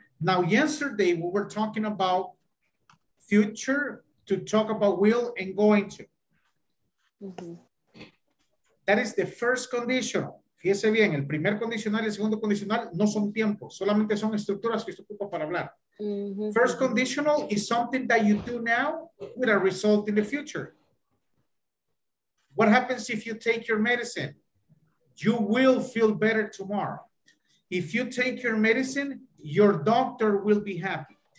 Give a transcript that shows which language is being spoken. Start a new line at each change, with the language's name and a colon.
English: Now, yesterday we were talking about future to talk about will and going to. Mm-hmm. That is the first conditional.
Spanish: Fíjese bien, el primer condicional y el segundo condicional no son tiempos, solamente son estructuras que se ocupan para hablar. Mm-hmm.
English: First conditional is something that you do now with a result in the future. What happens if you take your medicine? You will feel better tomorrow. If you take your medicine, your doctor will be happy.